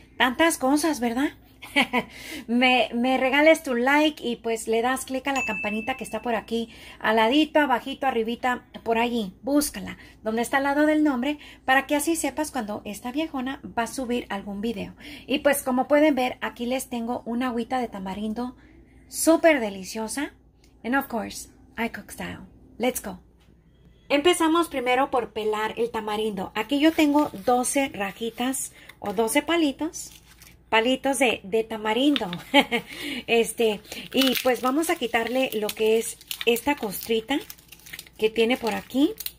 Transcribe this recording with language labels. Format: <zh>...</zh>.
<es>Tantas cosas, ¿verdad? Me regales tu like y pues le das clic a la campanita que está por aquí, al ladito, abajito, arribita, por allí. Búscala, donde está al lado del nombre, para que así sepas cuando esta viejona va a subir algún video. Y pues como pueden ver, aquí les tengo una agüita de tamarindo súper deliciosa.</es> <en>And of course, I cook style. Let's go.</en> <es>Empezamos primero por pelar el tamarindo. Aquí yo tengo 12 rajitas o 12 palitos. Palitos de tamarindo. Y pues vamos a quitarle lo que es esta costrita que tiene por aquí.</es>